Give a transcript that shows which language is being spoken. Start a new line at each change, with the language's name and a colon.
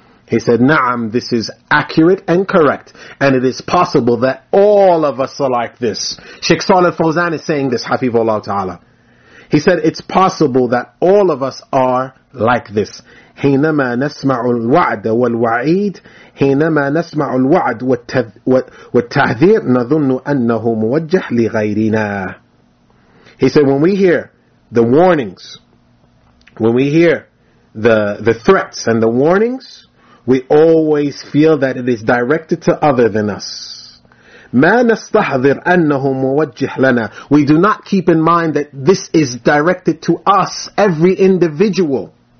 English: He said, Na'am, this is accurate and correct. And it is possible that all of us are like this. Sheikh Saleh Fawzan is saying this, Hafizullah Ta'ala. He said, it's possible that all of us are like this.
Arabic: حينما نسمع الوعد والوعيد حينما نسمع الوعد والتحذير نظن أنه موجه لغيرنا.
English: He said, when we hear the warnings, when we hear the threats and the warnings, we always feel that it is directed to other than us.
Arabic: مَا نَسْتَحْذِرْ أَنَّهُ مُوَجِّحْ لَنَا.
English: We do not keep in mind that this is directed to us, every individual.